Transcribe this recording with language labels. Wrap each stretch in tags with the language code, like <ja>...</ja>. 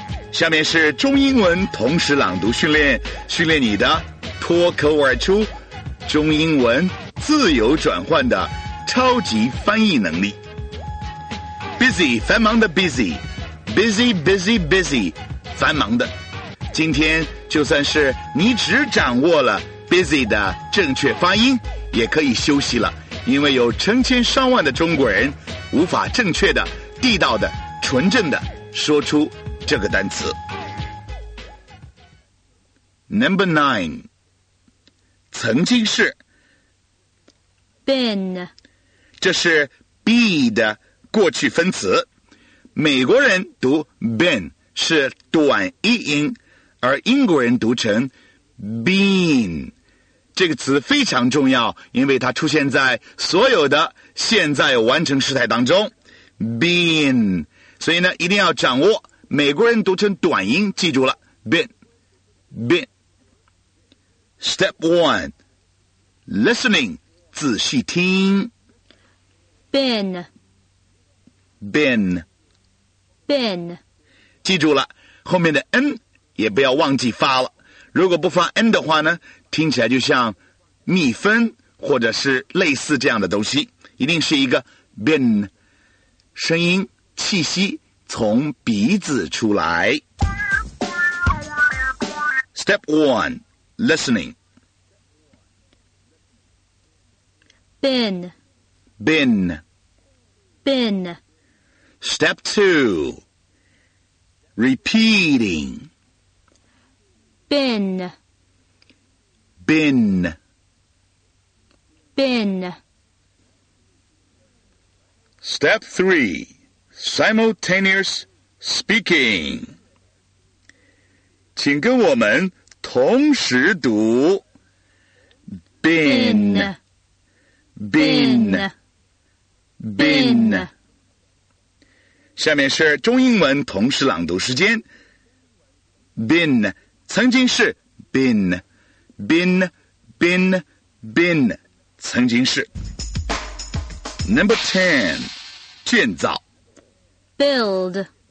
<zh>下面是中英文同时朗读训练，训练你的脱口而出中英文自由转换的超级翻译能力。</zh> <en>Busy,</en> <zh>繁忙的</zh> <en>busy, busy, busy, busy, 繁忙的。</en> <zh>今天就算是你只掌握了Busy 的正确发音也可以休息了，因为有成千上万的中国人无法正确的、地道的、纯正的说出这个单词。</zh> <en>Number 9，</en> <zh>曾经是</zh> <en>been，</en> <zh>这是 be 的过去分词。美国人读 been 是短一音，而英国人读成 been。这个词非常重要，因为它出现在所有的现在完成时态当中 been， 所以呢一定要掌握，美国人读成短音，记住了</zh> <en>been been。 Step 1 Listening</en> <zh>仔细听</zh> <en>been been been，</en> <zh>记住了后面的 n 也不要忘记发了，如果不发 n 的话呢听起来就像蜜蜂或者是类似这样的东西，一定是一个 been， 声音气息从鼻子出来。</zh> <en>Step 1 listening been been been Step 2 repeating been Been. Been. Step 3. Simultaneous speaking.</en> <zh>请跟我们同时读</zh> <en>Been. Been. bin, bin.</en> <zh>下面是中英文同时朗读时间。</zh> <en>bin</en> <zh>曾经是</zh> <en>bin, bin, bin, bin 曾经是。 Number ten,</en> <zh>建造。</zh> <en>build.</en>